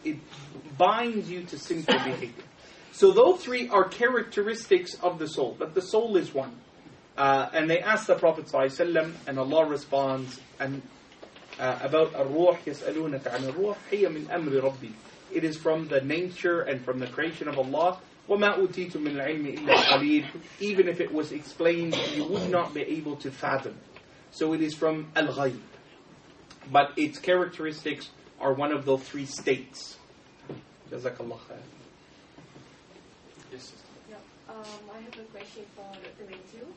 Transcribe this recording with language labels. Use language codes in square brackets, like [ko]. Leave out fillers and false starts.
[en] It binds you to sinful behavior. So those three are characteristics of the soul, but the soul is one. And they ask the Prophet ﷺ, and Allah responds, and about [ar] الروح يسألونك عن الروح هي من أمر ربي. [en] It is from the nature and from the creation of Allah. [ar] وما أوتيتم من العلم إلا قليل. [en] Even if it was explained, you would not be able to fathom. So it is from الغيب. But its characteristics are one of those three states. Jazakallah khair. Yeah. I have a question for Dr. Matthew.